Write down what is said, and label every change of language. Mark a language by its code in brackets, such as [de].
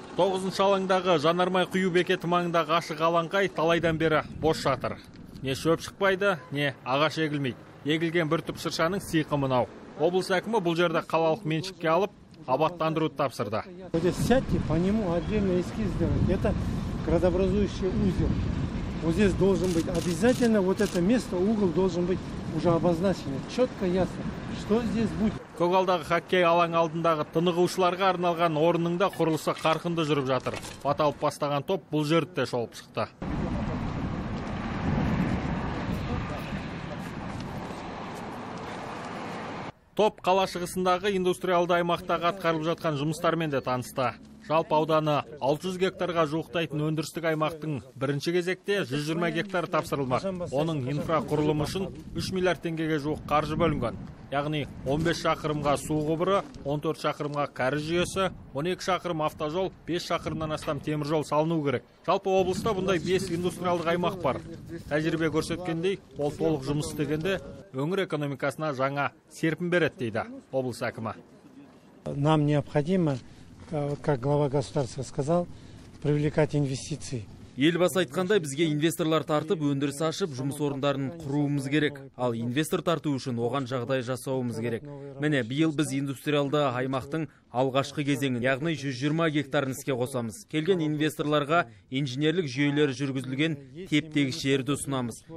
[kk] 9-шы алаңдағы жанармай құю бекеті маңындағы ашық алаңқай талайдан бері бос жатыр. Не шөп шықпайды, не ағаш егілмейді. Егілген бір түп шыршаның сиқы мынау. Облыс әкімі бұл жерді қалалық меншікке алып, абаттандыруды тапсырды. [ru] Сядьте по нему отдельно эскиз сделать. Это градообразующий узел. Вот здесь должен быть обязательно вот это место, угол должен быть уже обозначен. Четко ясно, что здесь будет. [kk] Көгалдағы хоккей алаң алдындағы тынығушыларға арналған орынның да құрылысы қарқынды жүріп жатыр. Баталып бастаған топ бұл жерде шолып шықты. Топ қала шығысындағы индустриалды аймақтағы атқарылып жатқан жұмыстармен де танысты. Жалпы ауданы 600 гектарға жуықтайтын өндірістік аймақтың бірінші кезекте 120 гектар тапсырылмақ. Оның инфрақұрылымы үшін 3 миллиард теңгеге жуық қаржы бөлінген. Яғни 15 шақырымға су құбыры, 14 шақырымға кәріз жүйесі, 12 шақырым автожол, 5 шақырымнан астам теміржол салыну керек. Жалпы облыста бұндай 5 индустриалдық аймақ бар. Тәжірибе көрсеткендей, ол толық жұмыс істегенде өңір экономикасына жаңа серпін береді дейді облыс әкімі. [ru] Нам необходимо, как глава государства сказал, привлекать инвестиции. [kk] Елбасы айтқандай, бізге инвесторлар тартып, өндіріс ашып, жұмыс орындарын құруымыз керек. Ал инвестор тарту үшін оған жағдай жасауымыз керек. Міне, биыл біз индустриалды аймақтың алғашқы кезеңін, яғни 120 гектарын іске қосамыз. Келген инвесторларға инженерлік жүйелер жүргізілген тептегі жерді ұсынамыз.